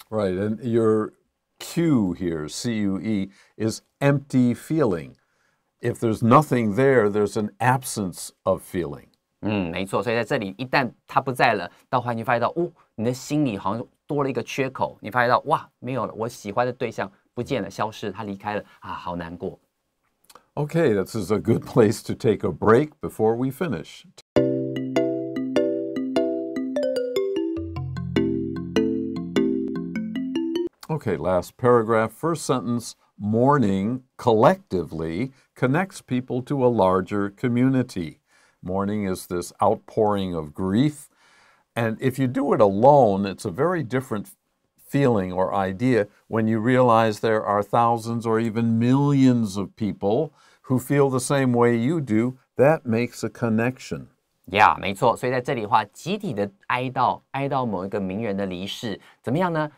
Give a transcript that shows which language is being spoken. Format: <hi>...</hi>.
<en>Right, and your cue here, C-U-E, is empty feeling. If there's nothing there, there's an absence of feeling.</en> <zh>没错，所以在这里，一旦他不在了，到后来你发现到，哦，你的心里好像多了一个缺口，你发现到，哇，没有了，我喜欢的对象不见了，消失，他离开了，啊，好难过。</zh> <en>Okay, this is a good place to take a break before we finish. Okay, last paragraph, first sentence, mourning collectively connects people to a larger community. Mourning is this outpouring of grief. And if you do it alone, it's a very different feeling or idea when you realize there are thousands or even millions of people who feel the same way you do, that makes a connection.</en> <zh>Yeah, 没错。所以在这里的话，集体的哀悼，哀悼某一个名人的离世，怎么样呢？</zh>